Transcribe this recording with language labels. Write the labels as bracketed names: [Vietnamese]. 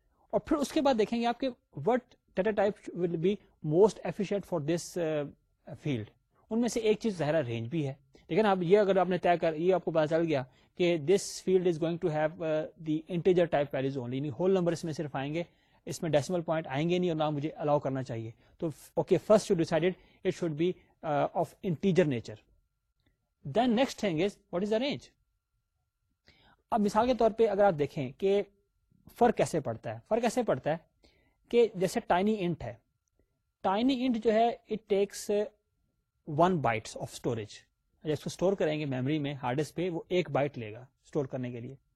[Urdu] اور پھر اس کے بعد دیکھیں گے آپ کے [English] what data type will be most efficient for this field. [Urdu] ان میں سے ایک چیز ظاہرہ رینج بھی ہے. لیکن اب یہ اگر آپ نے طے کر یہ آپ کو پتا چل گیا کہ [English] this field is going to have the integer type values only, [Urdu] یعنی ہول نمبر اس میں صرف آئیں گے, اس میں ڈیسیمل پوائنٹ آئیں گے نہیں اور نہ مجھے الاؤ کرنا چاہیے, تو [English] Okay first you decided it should be of integer nature. Then next thing is what is the range. [Urdu] اب مثال کے طور پہ اگر آپ دیکھیں کہ فرق کیسے پڑتا ہے, فرق کیسے پڑتا ہے کہ جیسے ٹائنی انٹ ہے, ٹائنی انٹ جو ہے [English] it takes 1 byte of storage, [Urdu] جس کو اسٹور کریں گے میموری میں ہارڈ ڈسک پہ وہ 1 بائٹ لے گا اسٹور کرنے کے لیے.